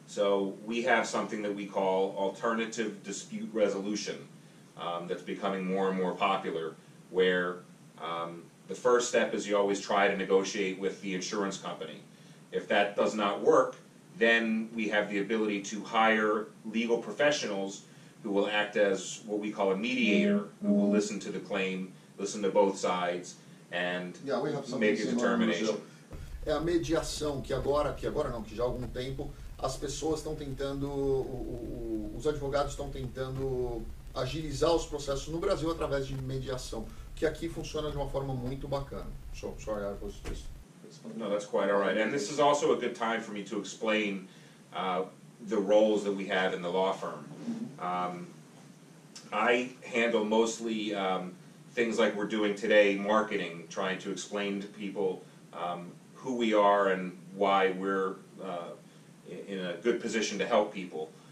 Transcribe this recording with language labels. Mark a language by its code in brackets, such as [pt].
[en] So we have something that we call alternative dispute resolution that's becoming more and more popular, where the first step is you always try to negotiate with the insurance company. If that does not work, then we have the ability to hire legal professionals who will act as what we call a mediator, who will listen to the claim, listen to both sides, and yeah, we have make a determination. [pt] É a mediação que já há algum tempo as pessoas estão tentando, os advogados estão tentando agilizar os processos no Brasil através de mediação, que aqui funciona de uma forma muito bacana. [en] So, sorry, I was just... No, that's quite all right. And this is also a good time for me to explain the roles that we have in the law firm. I handle mostly things like we're doing today, marketing, trying to explain to people who we are and why we're in a good position to help people.